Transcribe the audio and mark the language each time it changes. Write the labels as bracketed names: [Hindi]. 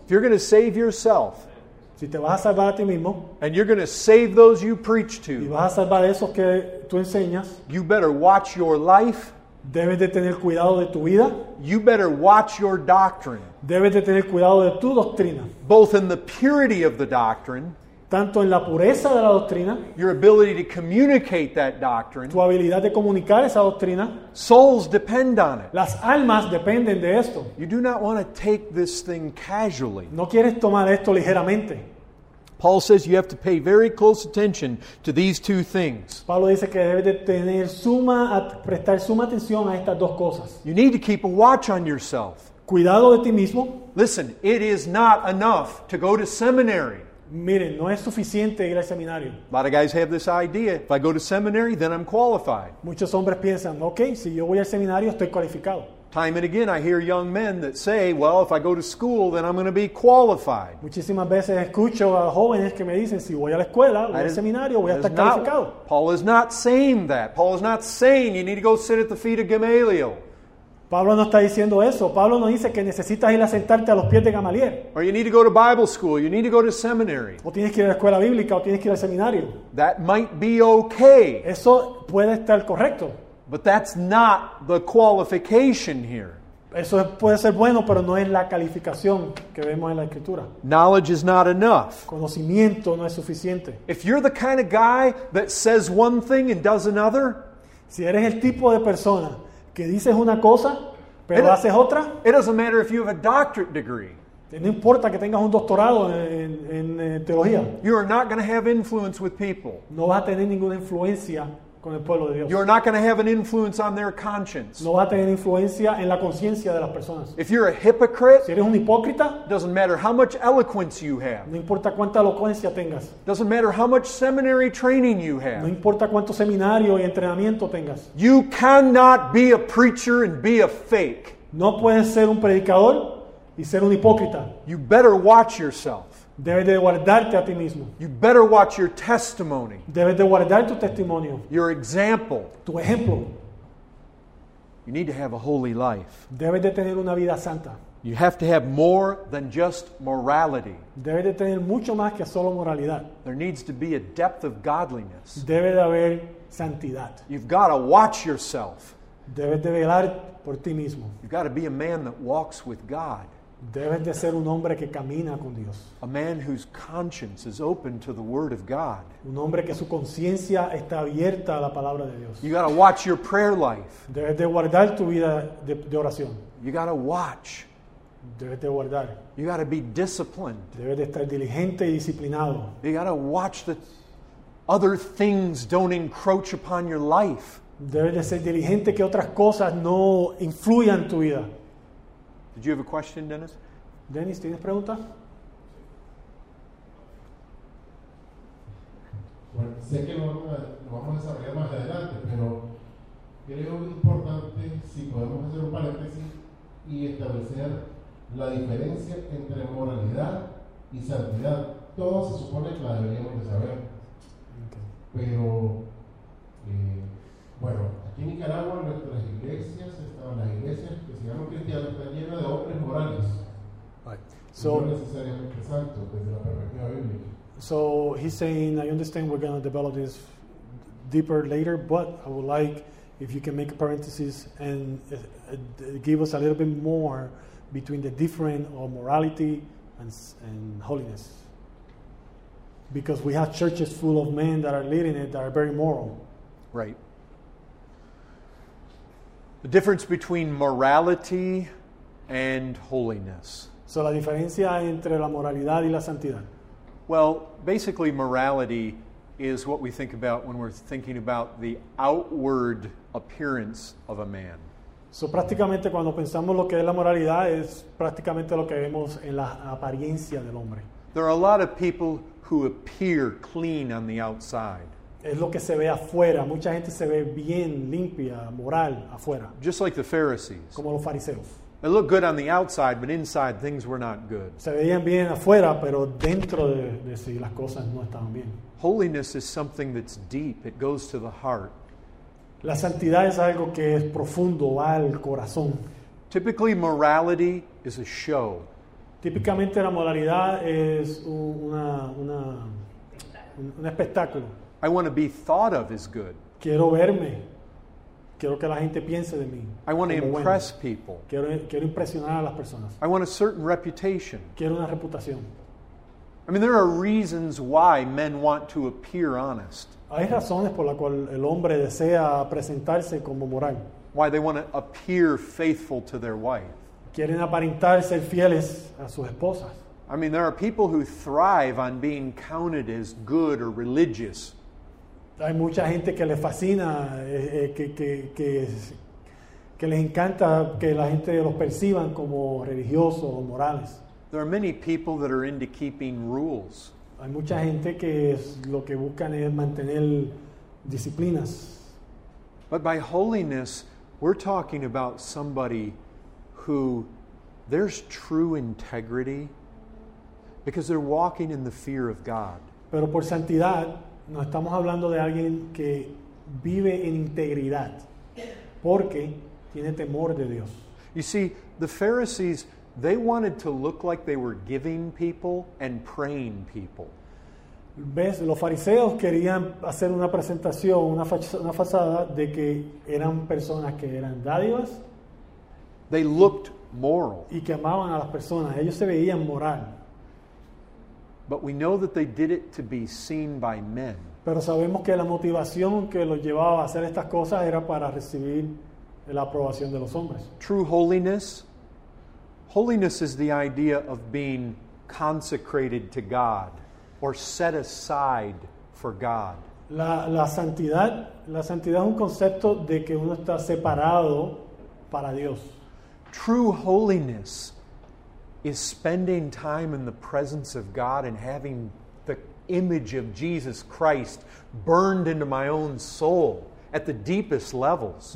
[English] If you're going to save yourself, [Spanish] si te vas a salvar a ti mismo, [English] and you're going to save those you preach to, [Spanish] y vas a salvar a esos que tú enseñas, [English] you better watch your life. [Spanish] Debes de tener cuidado de tu vida. [English] You better watch your doctrine. [Spanish] Debes de tener cuidado de tu doctrina. [English] Both in the purity of the doctrine, [Spanish] tanto en la pureza de la doctrina, [English] your ability to communicate that doctrine, [Spanish] tu habilidad de comunicar esa doctrina. [English] Souls depend on it. [Spanish] Las almas dependen de esto. [English] You do not want to take this thing casually. [Spanish] No quieres tomar esto ligeramente. [English] Paul says you have to pay very close attention to these two things. [Spanish] Pablo dice que debes de tener prestar suma atención a estas dos cosas. [English] You need to keep a watch on yourself. [Spanish] Cuidado de ti mismo. [English] Listen, it is not enough to go to seminary. [Spanish] Miren, no es suficiente ir al seminario. [English] A lot of guys have this idea, if I go to seminary, then I'm qualified. [Spanish] Muchos hombres piensan, okay, si yo voy al seminario, estoy cualificado. [English] Time and again I hear young men that say, well, if I go to school, then I'm going to be qualified. [Spanish] Muchísimas veces escucho a jóvenes que me dicen, si voy a la escuela, voy al seminario, voy a estar calificado. [English] Paul is not saying that. Paul is not saying you need to go sit at the feet of Gamaliel. [Spanish] Pablo no está diciendo eso. Pablo no dice que necesitas ir a sentarte a los pies de Gamaliel. [English] Or you need to go to Bible school. You need to go to seminary. [Spanish] O tienes que ir a la escuela bíblica o tienes que ir al seminario. [English] That might be okay. [Spanish] Eso puede estar correcto. [English] But that's not the qualification here. [Spanish] Eso puede ser bueno, pero no es la calificación que vemos en la escritura. [English] Knowledge is not enough. [Spanish] Conocimiento no es suficiente. [English] If you're the kind of guy that says one thing and does another, [Spanish] si eres el tipo de persona que dices una cosa pero haces otra, [English] it doesn't matter if you have a doctorate degree. [Spanish] No importa que tengas un doctorado en teología. [English] You are not going to have influence with people. [Spanish] No vas a tener ninguna influencia. [English] You're not going to have an influence on their conscience. [Spanish] No va a tener influencia en la conciencia de las personas. [English] If you're a hypocrite, [Spanish] si eres un hipócrita, [English] doesn't matter how much eloquence you have. [Spanish] No importa cuánta elocuencia tengas. [English] Doesn't matter how much seminary training you have. [Spanish] No importa cuánto seminario y entrenamiento tengas. [English] You cannot be a preacher and be a fake. [Spanish] No puedes ser un predicador y ser un hipócrita. [English] You better watch yourself. [Spanish] Debes de guardarte a ti mismo. [English] You better watch your testimony. [Spanish] Debes de guardar tu testimonio. [English] Your example. [Spanish] Tu ejemplo. [English] You need to have a holy life. [Spanish] Debes de tener una vida santa. [English] You have to have more than just morality. [Spanish] Debes de tener mucho más que solo moralidad. [English] There needs to be a depth of godliness. [Spanish] Debe de haber santidad. [English] You've got to watch yourself. [Spanish] Debes de velar por ti mismo. [English] You've got to be a man that walks with God. [Spanish] Debes de ser un hombre que camina con Dios. [English] A man whose conscience is open to the word of God. [Spanish] Un hombre que su conciencia está abierta a la palabra de Dios. [English] You got to watch your prayer life. [Spanish] Debes de guardar tu vida de oración. [English] You got to watch. [Spanish] Debes de guardar. [English] You got to be disciplined. [Spanish] Debes de estar diligente y disciplinado. [English] You got to watch that other things don't encroach upon your life. [Spanish] Debes de ser diligente que otras cosas no influyan tu vida. [English] Did you have a question, Dennis? [Spanish] Dennis, ¿tienes pregunta? Bueno, sé que lo vamos a desarrollar más adelante, pero creo importante si podemos hacer un paréntesis y establecer la diferencia entre moralidad y santidad. Todo se supone que la deberíamos de saber. Pero, bueno, aquí en Nicaragua nuestras iglesias, estaban las iglesias que se llaman cristianas, están llenas de hombres morales. [English] Right. [Spanish] So, no necesariamente santos desde la perspectiva bíblica. [English] So he's saying, I understand we're going to develop this deeper later, but I would like if you can make a parenthesis and give us a little bit more between the difference of morality and holiness. Because we have churches full of men that are leading it that are very moral. Right. The difference between morality and holiness. [Spanish] So la diferencia entre la moralidad y la santidad. [English] Well, basically, morality is what we think about when we're thinking about the outward appearance of a man. [Spanish] So, prácticamente, cuando pensamos lo que es la moralidad, es prácticamente lo que vemos en la apariencia del hombre. [English] There are a lot of people who appear clean on the outside. [Spanish] Es lo que se ve afuera. Mucha gente se ve bien, limpia, moral, afuera. [English] Just like the Pharisees. [Spanish] Como los fariseos. [English] It looked good on the outside, but inside things were not good. [Spanish] Se veían bien afuera, pero dentro de sí las cosas no estaban bien. [English] Holiness is something that's deep. It goes to the heart. [Spanish] La santidad es algo que es profundo, va al corazón. [English] Typically, morality is a show. [Spanish] Típicamente la moralidad es un espectáculo. [English] I want to be thought of as good. [Spanish] Quiero verme. Quiero que la gente piense de mí. [English] I want to impress people. [Spanish] Quiero impresionar a las personas. [English] I want a certain reputation. [Spanish] Quiero una reputación. [English] I mean, there are reasons why men want to appear honest. [Spanish] Hay razones por las cuales el hombre desea presentarse como moral. [English] Why they want to appear faithful to their wife. [Spanish] Quieren aparentar ser fieles a sus esposas. [English] I mean, there are people who thrive on being counted as good or religious. [Spanish] Hay mucha gente que le fascina, que les encanta que la gente los perciban como religiosos o morales. [English] There are many people that are into keeping rules. [Spanish] Hay mucha gente que es, lo que buscan es mantener disciplinas. [English] But by holiness, we're talking about somebody who there's true integrity because they're walking in the fear of God. [Spanish] Pero por santidad, no estamos hablando de alguien que vive en integridad porque tiene temor de Dios. [English] You see, the Pharisees, they wanted to look like they were giving people and praying people. [Spanish] ¿Ves? Los fariseos querían hacer una presentación, una fachada de que eran personas que eran dádivas. [English] They looked moral. [Spanish] Y que amaban a las personas. Ellos se veían moral. [English] But we know that they did it to be seen by men. [Spanish] Pero sabemos que la motivación que los llevaba a hacer estas cosas era para recibir la aprobación de los hombres. [English] True holiness. Holiness is the idea of being consecrated to God or set aside for God. [Spanish] La santidad es un concepto de que uno está separado para Dios. [English] True holiness is spending time in the presence of God and having the image of Jesus Christ burned into my own soul at the deepest levels.